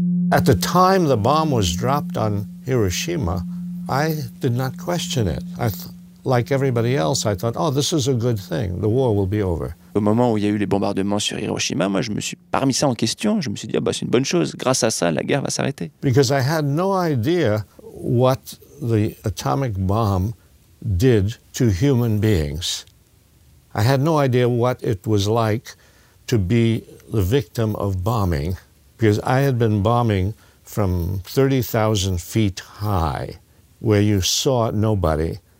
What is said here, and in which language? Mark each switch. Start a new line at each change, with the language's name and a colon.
English: At the time the bomb was dropped on Hiroshima, I did not question it. I like everybody else, I thought, oh, this is a good thing. The war will be over.
French: Au moment où il y a eu les bombardements sur Hiroshima, moi, je me suis pas remis ça en question. Je me suis dit, ah, bah, c'est une bonne chose. Grâce à ça, la guerre va s'arrêter.
English: Because I had no idea what the atomic bomb did to human beings. I had no idea what it was like to be the victim of bombing, because I had been bombing from 30,000 feet high, where you saw nobody.